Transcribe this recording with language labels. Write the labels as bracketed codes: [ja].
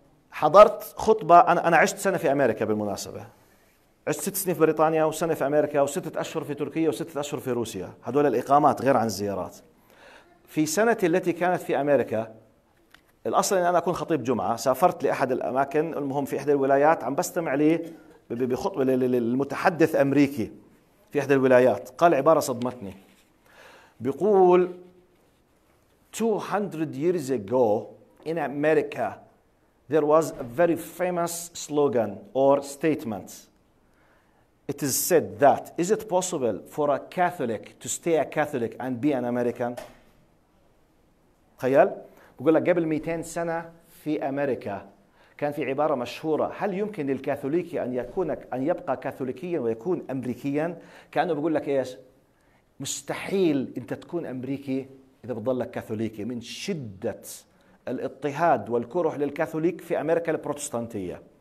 [ar] حضرت خطبة. أنا عشت سنة في أمريكا بالمناسبة، عشت 6 سنين في بريطانيا وسنة في أمريكا وستة أشهر في تركيا وستة أشهر في روسيا. هذول الإقامات غير عن الزيارات. في سنة التي كانت في أمريكا الأصل أن أنا أكون خطيب جمعة، سافرت لأحد الأماكن، المهم في إحدى الولايات عم بستمع لي بخطبة للمتحدث أمريكي في إحدى الولايات. قال عبارة صدمتني، بيقول [en] 200 years ago in America there was a very famous slogan or statement. It is said that is it possible for a Catholic to stay a Catholic and be an American. [ar] تخيل، بقول لك قبل 200 سنة في أمريكا كان في عبارة مشهورة، هل يمكن للكاثوليكي أن يبقى كاثوليكيا ويكون أمريكيا؟ كأنه بقول لك إيش، مستحيل أنت تكون أمريكي إذا بتضلك كاثوليكي من شدة الاضطهاد والكره للكاثوليك في أمريكا البروتستانتية.